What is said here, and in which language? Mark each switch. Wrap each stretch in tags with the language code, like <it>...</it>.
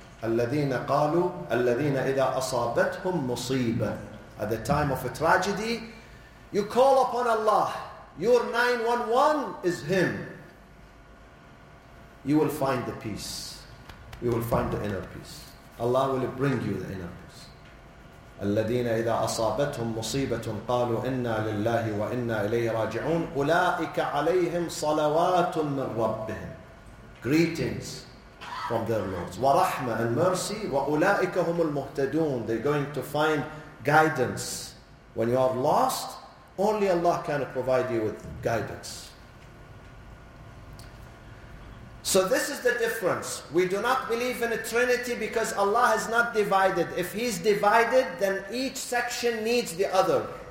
<ar>Alladhina qalu, alladhina idha asabatuhum musibah.</ar> <en>At the time of a tragedy, you call upon Allah. Your 911 is Him. You will find the peace. You will find the inner peace. Allah will bring you the inner peace.</en> <ar>الذين إذا أصابتهم مصيبة قالوا إنا لله وإنا إليه راجعون أولئك عليهم صلوات من ربهم</ar> <en>greetings from their lords</en> <ar>ورحمة</ar> <en>and mercy</en> <ar>وأولئك هم المهتدون.</ar> <en>They're going to find guidance. When you are lost, only Allah can provide you with guidance. So this is the difference. We do not believe in a trinity because Allah is not divided. If He's divided, then each section needs the other.</en>